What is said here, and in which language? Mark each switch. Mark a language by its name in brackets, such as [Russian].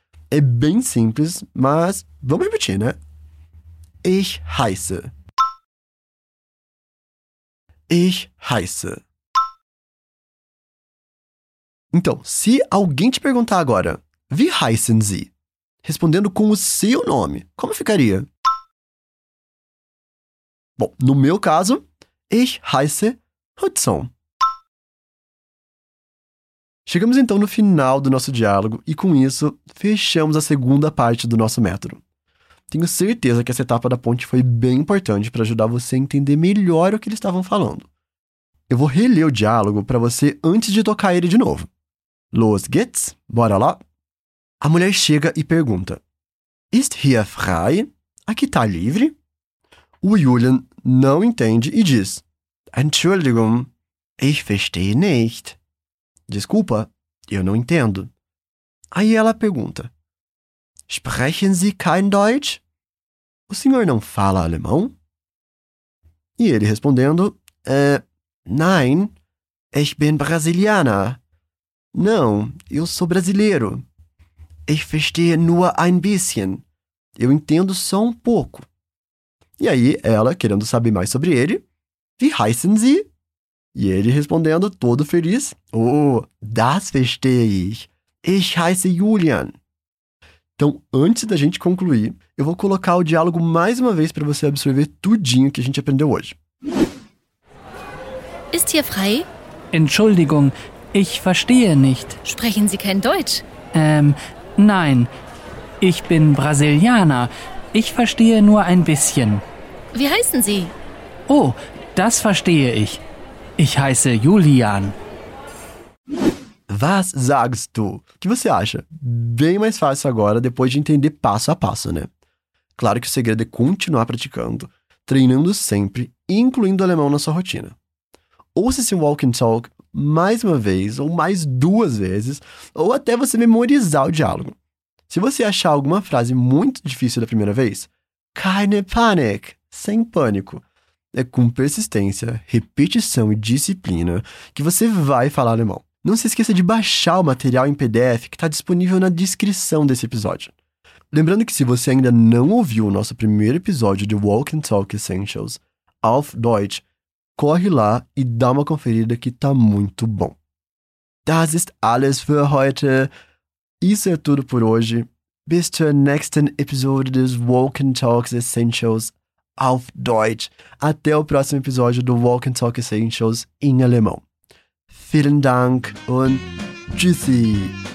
[Portuguese] É bem simples, mas vamos repetir, né? [German] Ich heiße. Ich heiße. [Portuguese] Então, se alguém te perguntar agora, [German] Wie heißen Sie? [Portuguese] Respondendo com o seu nome, como ficaria? Bom, no meu caso, [German] Ich heiße Hudson. [Portuguese] Chegamos então no final do nosso diálogo e com isso fechamos a segunda parte do nosso método. Tenho certeza que essa etapa da ponte foi bem importante para ajudar você a entender melhor o que eles estavam falando. Eu vou reler o diálogo para você antes de tocar ele de novo. [German] Los geht's, [Portuguese] bora lá. A mulher chega e pergunta. [German] Ist hier frei? [Portuguese] Aqui tá livre? O Julian não entende e diz. [German] Entschuldigung, ich verstehe nicht. [Portuguese] Desculpa, eu não entendo. Aí ela pergunta. [German] Sprechen Sie kein Deutsch? [Portuguese] O senhor não fala alemão? E ele respondendo, [German] nein, ich bin Brasilianer. [Portuguese] Não, eu sou brasileiro. [German] Ich verstehe nur ein bisschen. [Portuguese] Eu entendo só um pouco. E aí ela, querendo saber mais sobre ele, [German] Wie heißen Sie? [Portuguese] E ele respondendo, todo feliz, oh, [German] das verstehe ich. Ich heiße Julian. [Portuguese] Então, antes da gente concluir, eu vou colocar o diálogo mais uma vez para você absorver tudinho que a gente aprendeu hoje. [German] Ist hier frei? Entschuldigung, ich verstehe nicht. Sprechen Sie kein Deutsch? Nein. Ich bin Brasilianer. Ich verstehe nur ein bisschen. Wie heißen Sie? Oh, das verstehe ich. Ich heiße Julian. Was sagst du? [Portuguese] O que você acha? Bem mais fácil agora, depois de entender passo a passo, né? Claro que o segredo é continuar praticando, treinando sempre, incluindo o alemão na sua rotina. Ouça esse walk and talk mais uma vez, ou mais duas vezes, ou até você memorizar o diálogo. Se você achar alguma frase muito difícil da primeira vez, [German] keine Panik, [Portuguese] sem pânico. É com persistência, repetição e disciplina que você vai falar alemão. Não se esqueça de baixar o material em PDF que está disponível na descrição desse episódio. Lembrando que se você ainda não ouviu o nosso primeiro episódio de Walk and Talk Essentials, Auf Deutsch, corre lá e dá uma conferida que tá muito bom. [German] Das ist alles für heute. [Portuguese] Isso é tudo por hoje. [German] Bis zur nächsten Episode des Walk and Talk Essentials auf Deutsch. [Portuguese] Até o próximo episódio do Walk and Talk Essentials em alemão. [German] Vielen Dank und tschüssi!